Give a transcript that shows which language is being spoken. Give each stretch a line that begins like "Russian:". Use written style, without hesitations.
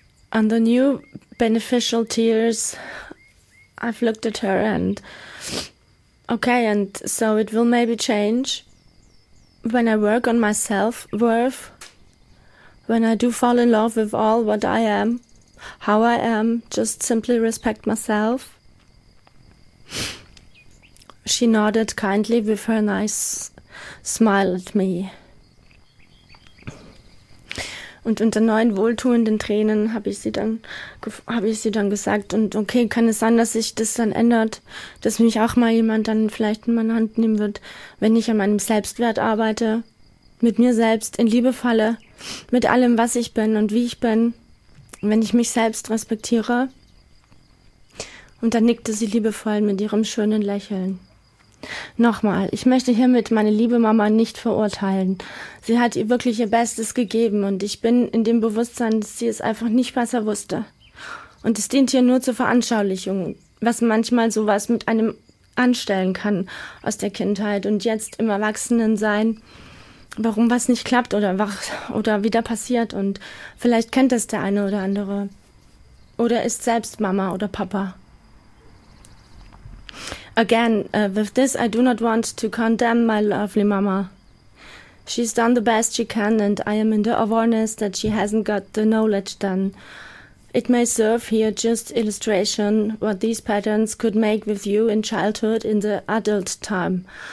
English: And the new beneficial tears, I've looked at her and, okay, and so it will maybe change when I work on my self-worth, when I do fall in love with all what I am, how I am, just simply respect myself. She nodded kindly with her nice smile at me.
German: Und unter neuen wohltuenden Tränen habe ich sie dann gesagt, und okay, kann es sein, dass sich das dann ändert, dass mich auch mal jemand dann vielleicht in meine Hand nehmen wird, wenn ich an meinem Selbstwert arbeite, mit mir selbst in Liebe falle, mit allem, was ich bin und wie ich bin, wenn ich mich selbst respektiere. Und dann nickte sie liebevoll mit ihrem schönen Lächeln. Nochmal, ich möchte hiermit meine liebe Mama nicht verurteilen. Sie hat ihr wirklich ihr Bestes gegeben und ich bin in dem Bewusstsein, dass sie es einfach nicht besser wusste. Und es dient hier nur zur Veranschaulichung, was manchmal sowas mit einem anstellen kann aus der Kindheit und jetzt im Erwachsenensein, warum was nicht klappt oder wieder passiert, und vielleicht kennt das der eine oder andere oder ist selbst Mama oder Papa.
English: Again, with this, I do not want to condemn my lovely mama. She's done the best she can, and I am in the awareness that she hasn't got the knowledge done. It may serve here just illustration what these patterns could make with you in childhood, in the adult time.